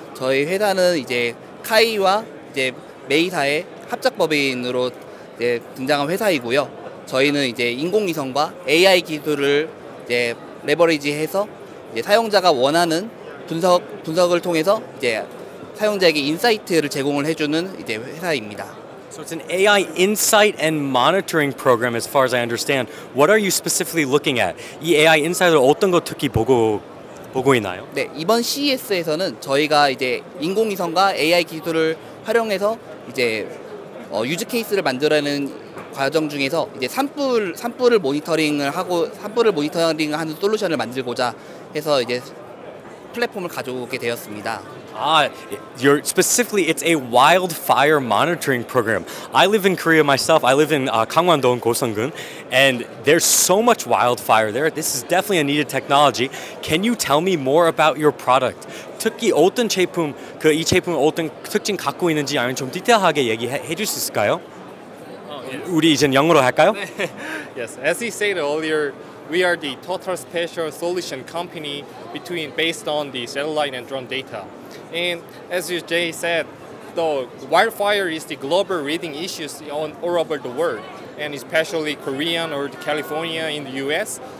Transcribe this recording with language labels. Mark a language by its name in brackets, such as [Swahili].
[Korean] 저희 회사는 이제 카이와 이제 메이사의 합작법인으로 이제 등장한 회사이고요. 저희는 이제 인공위성과 AI 기술을 이제 레버리지해서 이제 사용자가 원하는 분석을 통해서 이제 사용자에게 인사이트를 제공을 해주는 이제 회사입니다. [English] So it's an AI insight and monitoring program, as far as I understand. What are you specifically looking at? [Korean] 이 AI insight을 어떤 거 특히 보고 있나요? 네, 이번 CES에서는 저희가 이제 인공위성과 AI 기술을 활용해서 이제 유즈 케이스를 만들어내는 과정 중에서 이제 산불을 모니터링을 하고 산불을 모니터링하는 솔루션을 만들고자 해서 이제 플랫폼을 가져오게 되었습니다. [English] Specifically, it's a wildfire monitoring program. I live in Korea myself. I live in Gangwon-do, Gosung-gun, and there's so much wildfire there. This is definitely a needed technology. Can you tell me more about your product? [Korean] 특히 어떤 제품, 이 제품 어떤 특징 갖고 있는지 아니면 좀 디테일하게 얘기해 줄 수 있을까요? [English] Yes. [Korean] 우리 이제 영어로 할까요? [English] Yes, as he said earlier, we are the total spatial solution company based on the satellite and drone data. And as Jay said, the wildfire is the global leading issues all over the world, and especially Korean or the California in the US.